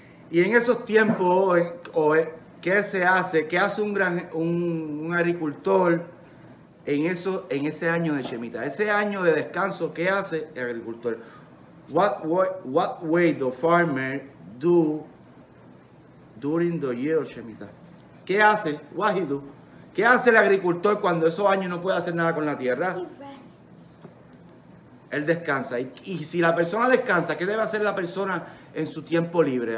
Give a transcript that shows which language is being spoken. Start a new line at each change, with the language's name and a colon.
Spanish: Y en esos tiempos, ¿qué se hace? ¿Qué hace un agricultor en ese año de Shemitah? Ese año de descanso, ¿qué hace el agricultor?
English: What way the farmer do during the year of Shemitah?
Spanish: ¿Qué hace?
English: What he do?
Spanish: ¿Qué hace el agricultor cuando esos años no puede hacer nada con la tierra? Él descansa. Y si la persona descansa, ¿qué debe hacer la persona en su tiempo libre?